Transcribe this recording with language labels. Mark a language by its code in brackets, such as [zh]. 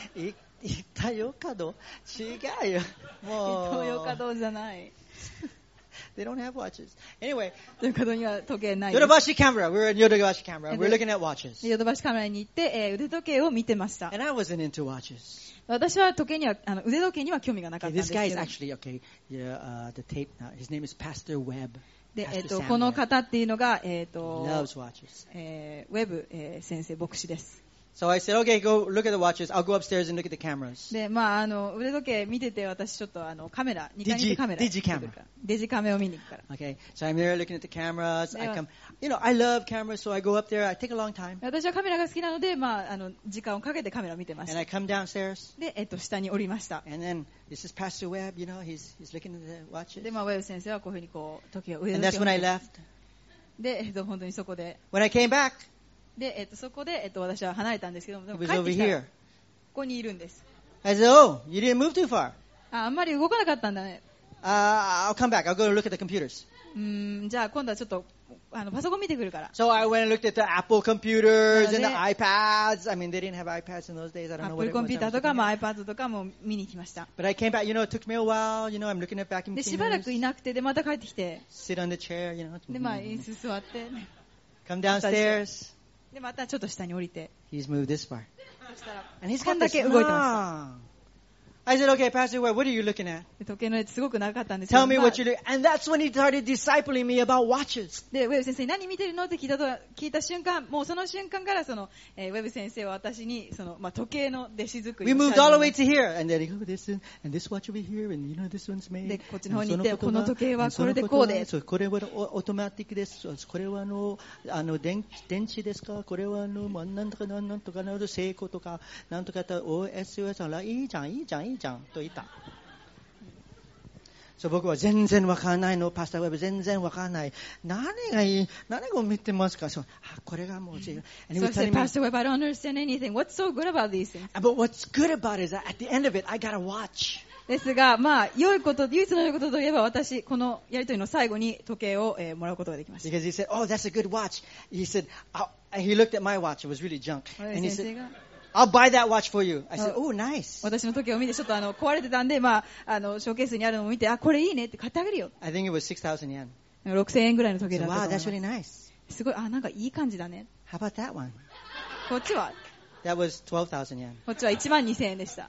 [ja] Ito Yokodo? 違うよ。もう。 Ito Yokodo じゃない。 [en] They don't have watches. Anyway, [ja] ということには時計ない。 [en] Yodobashi Camera. We're in Yodobashi Camera. We're looking at watches. [ja] Yodobashi Camera に行って、腕時計を見てました。 [en] And I wasn't into watches. [ja] 私は時計には、あの、腕時計には興味がなかったんですけど。 [en] Okay, this guy is actually, okay, yeah, the tape, his name is Pastor Webb. [ja] で、この方っていうのが、 [en] loves watches. [ja] ウェブ、先生、牧師です。 [en] So I said, okay, go look at the watches. I'll go upstairs and look at the cameras. [ja] で、まあ、あの、腕時計見てて、私ちょっとあの、カメラ、2階にカメラ。デジカメラ。デジカメを見に行くから。 [en] Okay. So I'm here looking at the cameras. I come, you know, I love cameras, so I go up there. I take a long time. [ja] 私はカメラが好きなので、まあ、あの、時間をかけてカメラを見てました。 [en] And I come downstairs. [ja] で、下に降りました。 [en] And then, this is Pastor Webb, you know, he's looking at the watches. [ja] で、まあ、ウェブ先生はこういうふうにこう、時計を腕時計。 [en] And that's when I left. [ja] で、本当にそこで。 [en] When I came back, [ja] で、そこで、私は離れたんですけども、でも帰ってきた。ここにいるんです。 [en] I said, oh, you didn't move too far. [ja] あんまり動かなかったんだね。 [en] I'll come back. I'll go and look at the computers. [ja] じゃあ今度はちょっと、あの、パソコン見てくるから。 [en] So I went and looked at the Apple computers and the iPads. I mean, they didn't have iPads in those days. I don't know what it was. [ja] コンピューターとかも iPad とかも見に行きました。 [en] But I came back. You know, it took me a while. You know, I'm looking at vacuum cleaners. [ja] で、しばらくいなくて、で、また帰ってきて。 [en] Sit on the chair, you know. [ja] で、まあ、椅子座って。 [en] Come downstairs. [ja] でまたちょっと下に降りて、 [en] he's moved this far. [ja] そしたらこんだけ動いてました。 [en] I said, okay, Pastor, what are you looking at? [ja] 時計のやつすごく長かったんですけど。 [en] Tell me what you're looking at. And that's when he started discipling me about watches. [ja] で、ウェブ先生に何見てるのって聞いた瞬間、もうその瞬間からその、ウェブ先生は私にその、まあ、時計の弟子作り。 [en] We moved all the way to here, and then he goes this and this watch will be here, and you know this one's made. [ja] でこっちの方に行って、この時計はこれでこうで。そう、これはオートマティックです。これはあの電池ですか。これはなんとかなど成功とかなんとかと OSUS のいいじゃんと言った。そう、僕は全然わからないの、パスタウェブ全然わからない。何がいい、何を見てますか。そう、あ、これがもう違う。 [en] And he was telling me, Pastor Webb, I don't understand anything. What's so good about these things? But what's good about it is that at the end of it, I got a watch. [ja] ですが、まあ、良いこと、唯一の良いことといえば、私、このやりとりの最後に時計を、もらうことができました。 [en] Because he said, oh, that's a good watch. He said, he looked at my watch. It was really junk. And he said,I'll buy that watch for you. I said, oh, nice. [ja] 私の時計を見て、ちょっとあの、壊れてたんで、まあ、あの、ショーケースにあるのを見て、あ、これいいねって買ってあげるよ。 [en] I think it was 6,000 yen. [ja] 6,000 円ぐらいの時計だったと思います。 [en] So, wow, that's really nice. [ja] すごい、あ、なんかいい感じだね。 [en] How about that one? [ja] こっちは [en] That was 12,000 yen. [ja] こっちは12,000円でした。